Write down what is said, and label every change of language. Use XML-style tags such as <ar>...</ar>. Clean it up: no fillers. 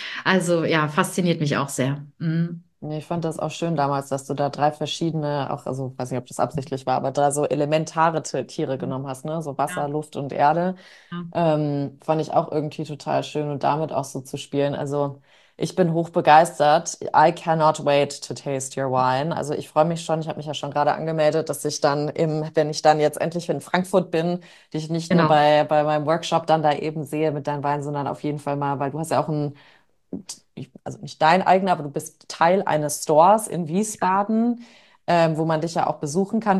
<de>Also ja, fasziniert mich auch sehr. Ich fand das auch schön damals, dass du da drei verschiedene, auch, also weiß nicht, ob das absichtlich war, aber drei so elementare Tiere genommen hast, ne? So Wasser, Luft und Erde. Fand ich auch irgendwie total schön und damit auch so zu spielen. Also ich bin hochbegeistert.</de> <en>I cannot wait to taste your wine.</en> <de>Also ich freue mich schon, ich habe mich ja schon gerade angemeldet, dass ich dann wenn ich dann jetzt endlich in Frankfurt bin, dich nicht nur bei meinem Workshop dann da eben sehe mit deinem Wein, sondern auf jeden Fall mal, weil du hast ja auch ein. Also nicht dein eigener, aber du bist Teil eines Stores in Wiesbaden, wo man dich ja auch besuchen kann.</de>